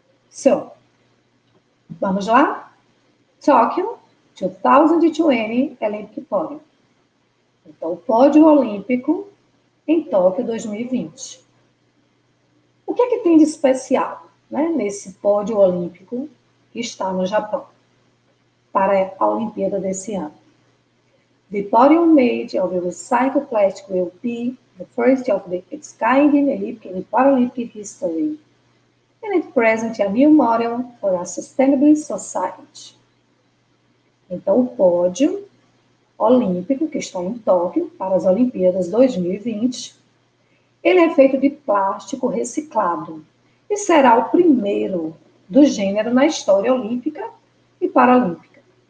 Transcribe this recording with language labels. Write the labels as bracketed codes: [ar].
[pt] So, vamos lá? Tóquio 2020 Olympic Podium. Então, o pódio olímpico em Tóquio 2020. O que é que tem de especial, né, nesse pódio olímpico que está no Japão para a Olimpíada desse ano? [en] The podium made of the recycled plastic will be the first of the its kind in Olympic and Paralympic history. And it present a new model for a sustainable society. [pt] Então, o pódio olímpico que está em Tóquio para as Olimpíadas 2020, ele é feito de plástico reciclado e será o primeiro do gênero na história olímpica e paralímpica.